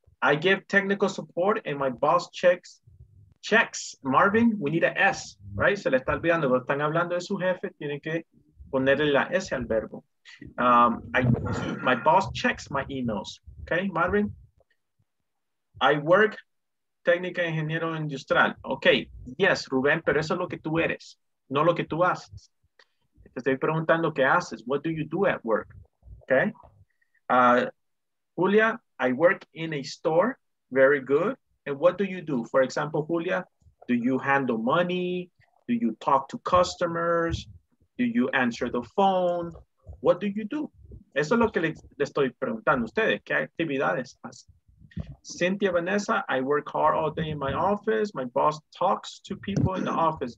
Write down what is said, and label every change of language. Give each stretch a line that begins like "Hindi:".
English: I give technical support and my boss checks. Marvin, we need a S, right?
Spanish: Se le está olvidando, pero están hablando de su jefe, tienen que ponerle la S al verbo.
English: My boss checks my emails. Okay, Marvin. I work
Spanish: técnica ingeniero industrial.
English: Okay, yes,
Spanish: Rubén, pero eso es lo que tú eres, no lo que tú haces. Te estoy preguntando qué haces.
English: What do you do at work?
Spanish: Okay.
English: Julia, I work in a store. Very good. And what do you do? For example, Julia, do you handle money? Do you talk to customers? Do you answer the phone? What do you do?
Spanish: Eso es lo que le estoy preguntando a ustedes. ¿Qué actividades hacen? Cynthia Vanessa,
English: I work hard all day in my office. My boss talks to people in the office.